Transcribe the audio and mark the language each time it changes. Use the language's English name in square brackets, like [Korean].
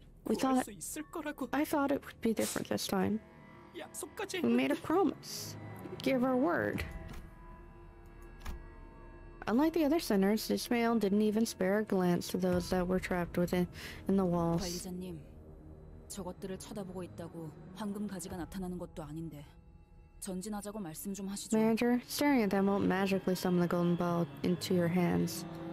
[English] I thought it would be different this time. We made a promise. Give our word. Unlike the other sinners, Ishmael didn't even spare a glance to those that were trapped within in the walls. [Korean] 저것들을 쳐다보고 있다고 황금 가지가 나타나는 것도 아닌데 전진하자고 말씀 좀 하시죠. [English] Manager, staring at them won't magically summon the golden ball into your hands.